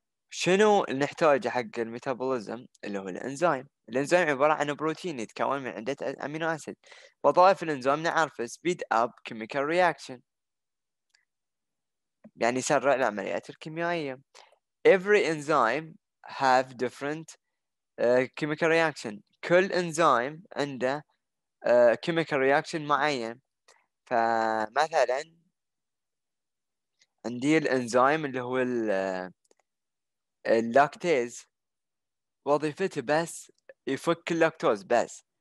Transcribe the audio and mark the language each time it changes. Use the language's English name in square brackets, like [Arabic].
[Arabic] شنو اللي نحتاج حق الميتابوليزم؟ اللي هو الانزيم. الانزيم عباره عن بروتين يتكون من عده امينو اسيد. وظائف الانزيم نعرف سبيد اب كيميكال رياكشن, يعني يسرع العمليات الكيميائيه. [English] every enzyme have different chemical reaction. [Arabic] كل انزيم عنده chemical reaction معين. فمثلا عندي الانزيم اللي هو اللاكتيز, وظيفته بس يفك اللاكتوز بس.